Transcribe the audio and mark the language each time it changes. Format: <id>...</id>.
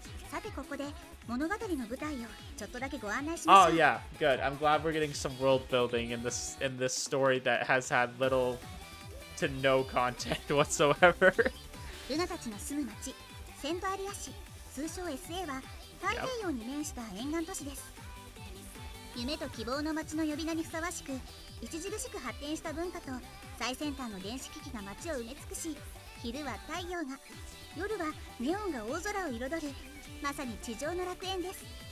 <ja>さてここで物語の舞台をちょっとだけご案内しましょう。</ja> <en>Oh yeah, good. I'm glad we're getting some world building in this story that has had little to no content whatsoever.</en> <ja>ルナたちの住む町、セントアリア市、通称 SA は太平洋に面した沿岸都市です。夢と希望の町の呼び名にふさわしく、著しく発展した文化と最先端の電子機器が町を埋め尽くし、昼は太陽が、夜はネオンが大空を彩る、まさに地上の楽園です。</ja>